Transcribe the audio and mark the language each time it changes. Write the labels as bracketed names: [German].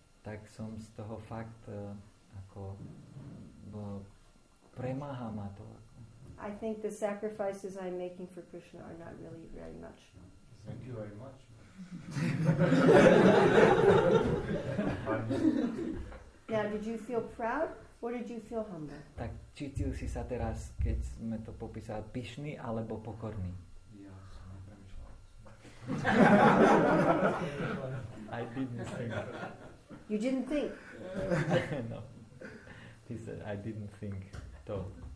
[Slovak] Tak som z toho fakt ako premáha ma to. [English] I think the sacrifices I'm making for Krishna are not really very much. Thank you very much. Now, did you feel proud or did you feel humble? [Slovak] Tak cítil si sa teraz, keď sme to popísali, pyšný alebo pokorný? Ja som nepremýšľal. [English] I didn't think. You didn't think? No. He said, I didn't think at all.